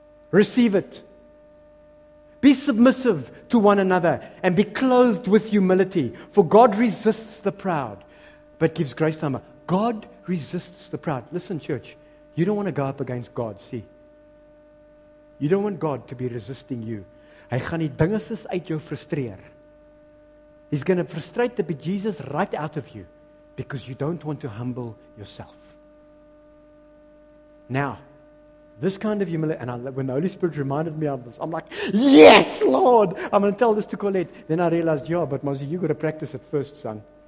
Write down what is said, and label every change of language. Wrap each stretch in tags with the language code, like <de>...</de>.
<en>Receive it. Be submissive to one another and be clothed with humility. For God resists the proud, but gives grace to humble. God resists the proud. Listen, church, you don't want to go up against God, see? You don't want God to be resisting you.</en> <af>Hy gaan die dingetjies uit jou frustreer.</af> <en>He's going to frustrate the bejesus right out of you because you don't want to humble yourself. Now, this kind of humility, and when the Holy Spirit reminded me of this, I'm like, yes, Lord! I'm going to tell this to Colette. Then I realized, yeah, but Mozzie, you got to practice it first, son.</en>